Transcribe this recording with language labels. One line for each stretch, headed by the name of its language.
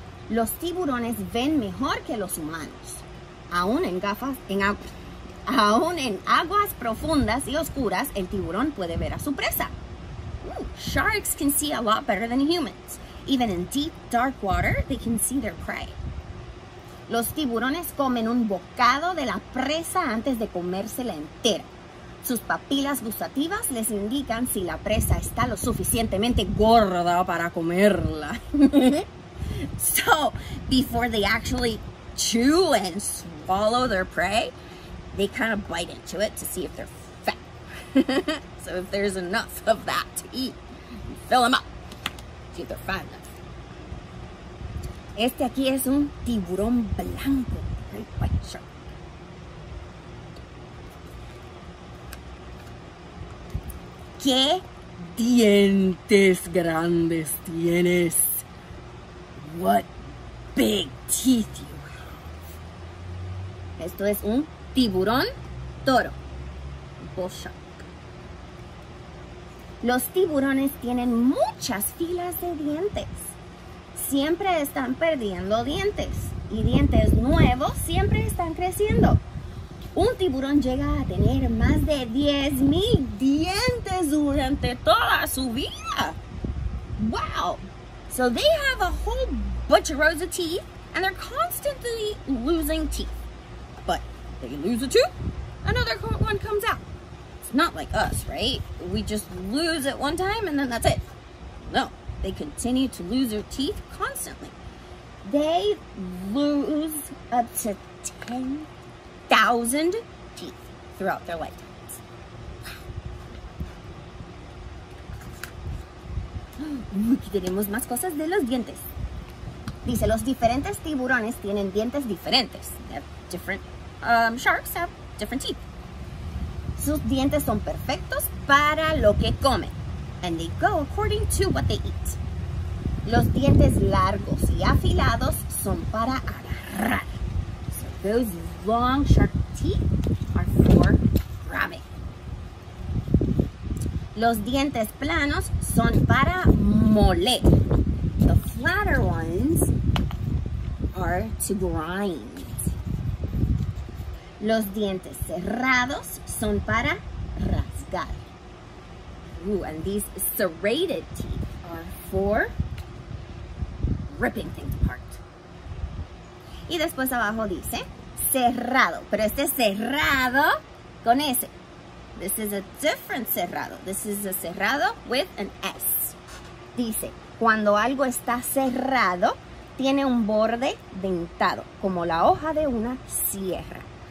Spanish: Los tiburones ven mejor que los humanos, aún en aguas profundas y oscuras, el tiburón puede ver a su presa.
English: Ooh, sharks can see a lot better than humans. Even in deep, dark water, they can see their prey.
Spanish: Los tiburones comen un bocado de la presa antes de comérsela entera. sus papilas gustativas les indican si la presa está lo suficientemente gorda para comerla.
English: So, before they actually chew and swallow their prey, they kind of bite into it to see if they're fat. So if there's enough of that to eat, you fill them up, see if they're fat enough.
Spanish: Este aquí es un tiburón blanco,
English: right? White shark.
Spanish: ¿Qué dientes grandes tienes?
English: What big teeth you have.
Spanish: Esto es un tiburón toro.
English: Bull shark.
Spanish: Los tiburones tienen muchas filas de dientes. Siempre están perdiendo dientes. Y dientes nuevos siempre están creciendo. Un tiburón llega a tener más de 10,000 dientes durante toda su vida.
English: Wow. So they have a whole bunch of rows of teeth and they're constantly losing teeth. But they lose a tooth, another one comes out. It's not like us, right? We just lose it one time and then that's it. No, they continue to lose their teeth constantly. They lose up to 10,000 teeth throughout their lifetimes.
Spanish: Aquí tenemos más cosas de los dientes. Dice, los diferentes tiburones tienen dientes diferentes.
English: They have different sharks have different teeth.
Spanish: Sus dientes son perfectos para lo que comen.
English: And they go according to what they eat.
Spanish: Los dientes largos y afilados son para agarrar.
English: Those long sharp teeth are for grabbing.
Spanish: Los dientes planos son para moler.
English: The flatter ones are to grind.
Spanish: Los dientes cerrados son para rasgar.
English: Ooh, and these serrated teeth are for ripping things apart.
Spanish: Y después abajo dice cerrado, pero este cerrado con S.
English: This is a different cerrado. This is a cerrado with an S.
Spanish: Dice, cuando algo está cerrado, tiene un borde dentado, como la hoja de una sierra.